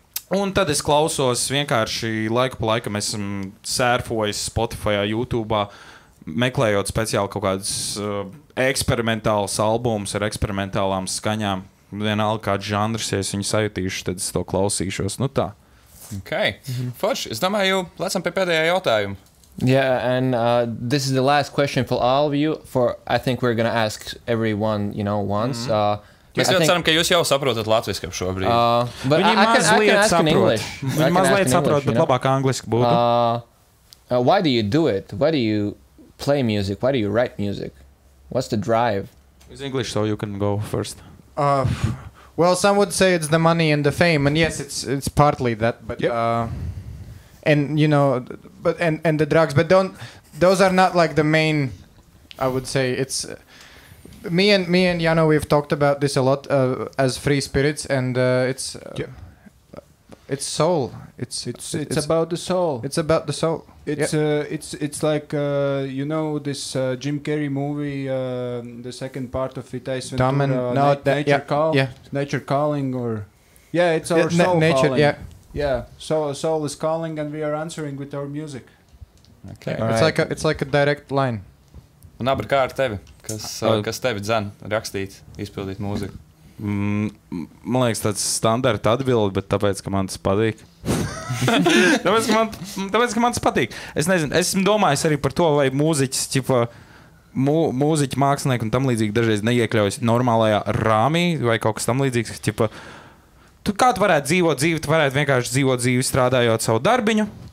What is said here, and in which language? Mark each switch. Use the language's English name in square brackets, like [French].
[Latvian] Un tad es klausos vienkārši laiku pa laikam esam sērfojis Spotify, YouTube, meklējot speciāli kaut kādas eksperimentālas albumus ar eksperimentālām skaņām. Vienalga kāds žanrs, ja es viņu sajutīšu, tad es to klausīšos. Nu tā. Ok. Forši, es domāju, lecam pie pēdējā jautājuma. [English] Yeah, and this is the last question for all of you, for I think we're going to ask everyone, you know, once. Mm-hmm. [Latvian] Mēs ļoti ceram, ka jūs jau saprotat latviskam šobrīd. Viņi mazliet saprot, bet labāk angliski būtu. [English] Why do you do it? Why do you play music? Why do you write music? What's the drive? It's English, so you can go first. Well, some would say it's the money and the fame, and yes, it's partly that, but... Yep. And you know, but and the drugs, but those are not like the main. I would say it's me and Jano. We've talked about this a lot as free spirits, and it's soul. It's about the soul. It's about the soul. It's yeah. It's like you know this Jim Carrey movie, the second part of it, Ace Ventura, Nature Calling, or yeah, it's our soul nature, calling. Yeah. Yeah, so a soul is calling and we are answering with our music. Okay. All right. It's like a direct line. [Latvian] Un abri, kā ar tevi? Kas tevi dzen rakstīt, izpildīt mūziku? Man liekas, tāds standarta atbildi, bet tāpēc, ka man tas patīk. tāpēc, ka man tas patīk. Es nezinu, esmu domājis arī par to, vai mūziķis, ķipa, mūziķi, mākslinieki un tam līdzīgi dažreiz neiekļaujas normālajā rāmī vai kaut kas tam līdzīgs, ķipa, tu kā tu varētu dzīvot dzīvi, tu varētu vienkārši dzīvot dzīvi, strādājot savu darbiņu.